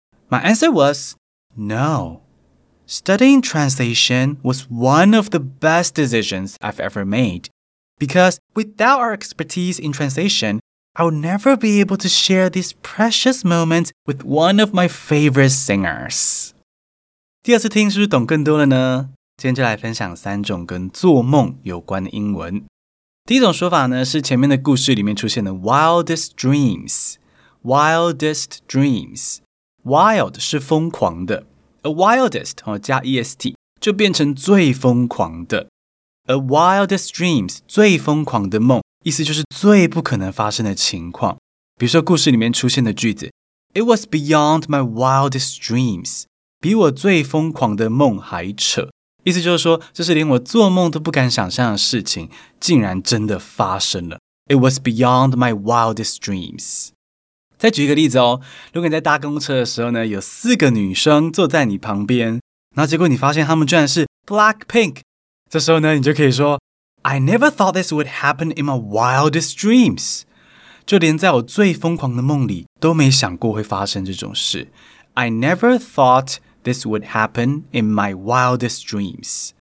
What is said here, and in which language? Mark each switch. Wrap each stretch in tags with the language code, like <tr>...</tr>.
<en>My answer was no. Studying translation was one of the best decisions I've ever made, because without our expertise in translation, I would never be able to share these precious moments with one of my favorite singers.</en> <zh>第二次听是不是懂更多了呢？今天就来分享三种跟做梦有关的英文。第一种说法呢，是前面的故事里面出现的 wildest dreams。 wildest dreams。 wild 是疯狂的。 A wildest 加 est 就变成最疯狂的。 A wildest dreams, 最疯狂的梦。意思就是最不可能发生的情况。比如说故事里面出现的句子</zh> <en>It was beyond my wildest dreams.</en> <zh>比我最疯狂的梦还扯。意思就是说这是连我做梦都不敢想象的事情竟然真的发生了。</zh> <en>It was beyond my wildest dreams.</en> <zh>再举一个例子哦，如果你在搭公车的时候呢，有四个女生坐在你旁边，然后结果你发现她们居然是 Blackpink， 这时候呢，你就可以说</zh> <en>I never thought this would happen in my wildest dreams.</en> <zh>就连在我最疯狂的梦里都没想过会发生这种事。</zh> <en>I never thought this would happen in my wildest dreams.</en>